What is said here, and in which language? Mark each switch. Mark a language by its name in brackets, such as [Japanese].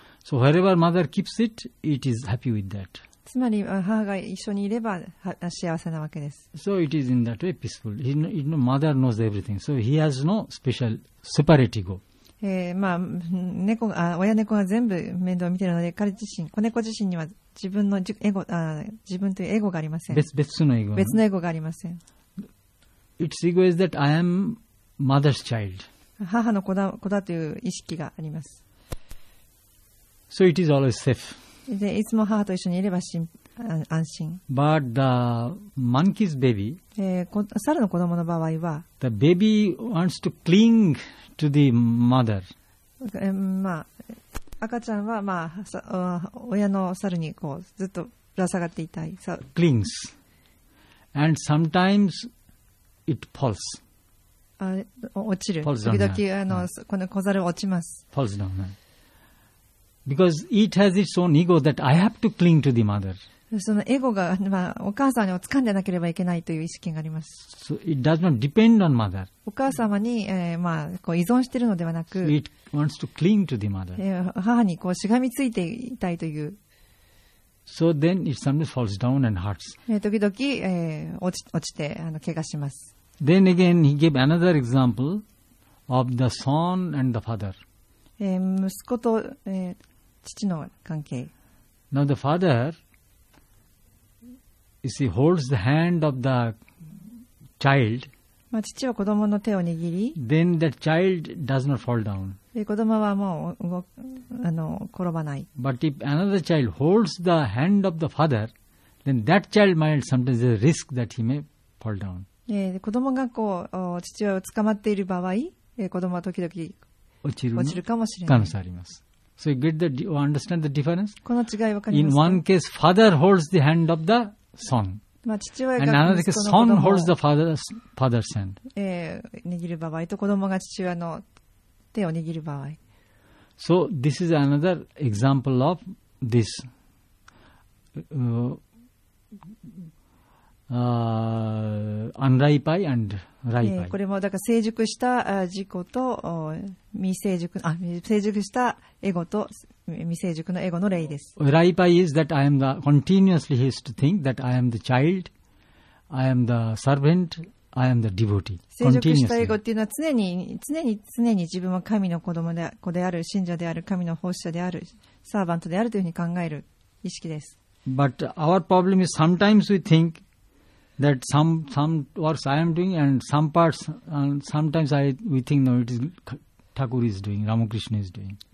[English] So wherever mother keeps it, it is happy with that. [Japanese] つまり母が一緒にいれば幸せなわけです。 [English] So it is in that way peaceful. Mother knows everything. So he has no special separate ego. [Japanese] まあ、親猫が全部面倒を見ているので、彼自身、子猫自身には自分のエゴ、自分というエゴがありません。別のエゴがありません。 [English] Its ego is that I am mother's child. [Japanese] 母の子だという意識があります。 [English] So it is always safe. [Japanese] でいつも母と一緒にいれば安心。 [English] But the monkey's baby, [Japanese] 猿の子供の場合は、 [English] the baby wants to cling to the mother. [Japanese] まあ、赤ちゃんは、まあ、親の猿にこうずっとぶら下がっていたい。 [English] Clings. And sometimes it falls. [Japanese] 落ちる。時々この子猿落ちます。 [English] Falls down. Because it has its own ego that I have to cling to the mother. [Japanese] そのエゴが、まあ、お母さんを掴んでなければいけないという意識があります。 [English] So、it does not depend on mother. [Japanese] お母様に、まあ、こう依存しているのではなく、 [English] so、it wants to cling to the mother. [Japanese] 母にこうしがみついていたいという。 [English] So、then it sometimes falls down and hurts. [Japanese] 時々、落ちて怪我します。 [English] Then again, he gave another example of the son and the father. [Japanese] 息子と、父の関係。 [English] Now the father,You see, holds the hand of the child. [Japanese] まあ、父は子供の手を握り。 [English] Then that child does not fall down. [Japanese] 子供はもう転ばない。 [English] But if another child holds the hand of the father, then that child might sometimes there's a risk that he may fall down. [Japanese] 子供がこう父親を捕まっている場合、子供は時々落ちるかもしれない可能性あります。 [English] So you get the, you understand the difference? [Japanese] この違いわかりますか? [English] In one case, father holds the hand of the son. [Japanese] まあ、父親が息子の子供を。 [English] And another case, son holds the father's hand. [Japanese] 握る場合と子供が父親の手を握る場合。 [English] So this is another example of this. Unripe eye and ripe eye. [Japanese] これもだから成熟した自己と未成熟したエゴと未成熟のエゴの例です。 [English] Ripe eye is that I am the continuously he is to think that I am the child, I am the servant, I am the devotee. [Japanese] 成熟したエゴっていうのは常に自分は神の子供で子である信者である神の奉仕者であるサーバントであるというふうに考える意識です。 [English] But our problem is sometimes we think. That some works I am doing and some parts and sometimes we think no it is Thakur is doing Ramakrishna is doing